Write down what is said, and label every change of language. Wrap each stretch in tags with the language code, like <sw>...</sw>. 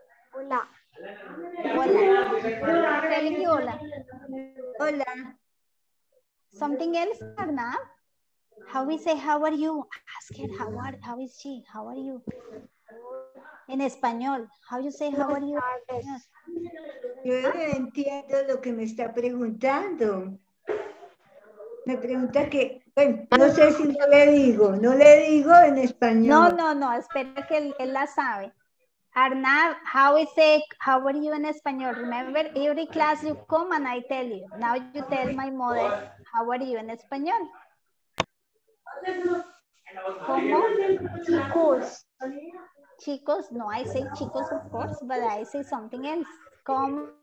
<es>Hola.</es> <en>Telling you hola.</en> <es>Hola.</es> <en>Something else, Arnav? How we say, how are you? Ask her, how is she? How are you? In español, how you say, how are you?</en> <es>Yo no entiendo lo que me está preguntando. Me pregunta que, bueno, no sé si no le digo, no le digo en español. No, no, no, espera que él la sabe.</es> <en>Arnav, how we say, how are you in español? Remember, every class you come and I tell you. Now you tell my mother, how are you in español?</en> <es>¿Cómo? Chicos.</es> <en>Chicos, no, I say chicos, of course, but I say something else. ¿Cómo</en>